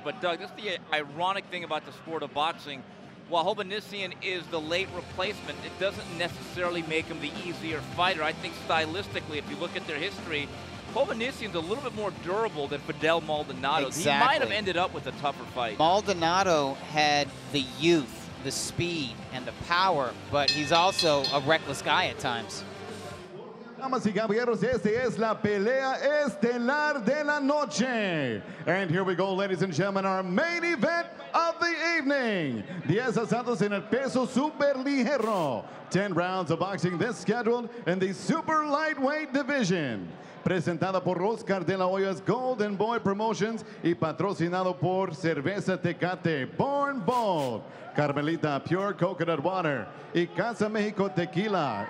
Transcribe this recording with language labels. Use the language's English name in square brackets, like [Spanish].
[English] But, Doug, that's the ironic thing about the sport of boxing. While Hovhannisyan is the late replacement, it doesn't necessarily make him the easier fighter. I think stylistically, if you look at their history, Hovhannisyan's a little bit more durable than Fidel Maldonado. Exactly. He might have ended up with a tougher fight. Maldonado had the youth, the speed, and the power, but he's also a reckless guy at times. [Spanish] Damas y caballeros, esta es la pelea estelar de la noche. [English] And here we go, ladies and gentlemen, our main event of the evening. [Spanish] 10 asados en el peso super ligero. [English] 10 rounds of boxing this scheduled in the super lightweight division. [Spanish] Presentada por Oscar de la Hoya's Golden Boy Promotions y patrocinado por Cerveza Tecate, Born Bold, Carmelita Pure Coconut Water y Casa Mexico Tequila.